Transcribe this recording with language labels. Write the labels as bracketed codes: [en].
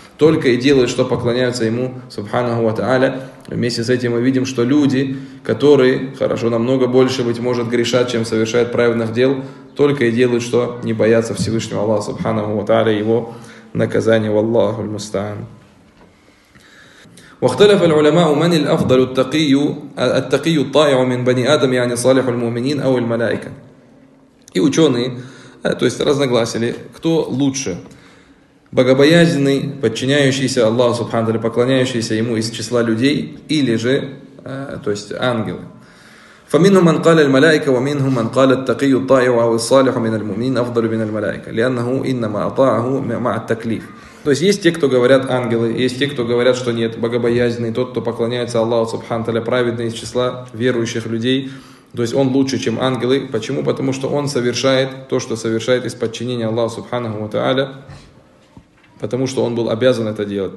[ru] Только и делают, что поклоняются ему, Субханаху ва Тааля. Вместе с этим мы видим, что люди, которые, хорошо, намного больше, быть может, грешат, чем совершают праведных дел, только и делают, что не боятся Всевышнего Аллаха Субханаху ва Тааля, его наказания. Валлаху аль-мустаан. [ar] واختلف العلماء من الافضل التقي التقي الطائع من بني ادم يعني صالح المؤمنين او الملائكه. [ru] И ученые, то есть разногласили, кто лучше: богобоязненный, подчиняющийся Аллаху субхану ва тааля, поклоняющийся ему из числа людей, или же, то есть ангелы. [ar] فمنهم من قال الملائكة ومنهم من قال التقي الطائع أو الصالح من المؤمنين أفضل من الملائكة لأنه إنما أطاعه مع التكليف. [ru] То есть есть те, кто говорят ангелы, есть те, кто говорят, что нет, богобоязненный, тот, кто поклоняется Аллаху Субхану Таля, праведный из числа верующих людей, то есть он лучше, чем ангелы. Почему? Потому что он совершает то, что совершает из подчинения Аллаху Субхану ва Тааля, потому что он был обязан это делать.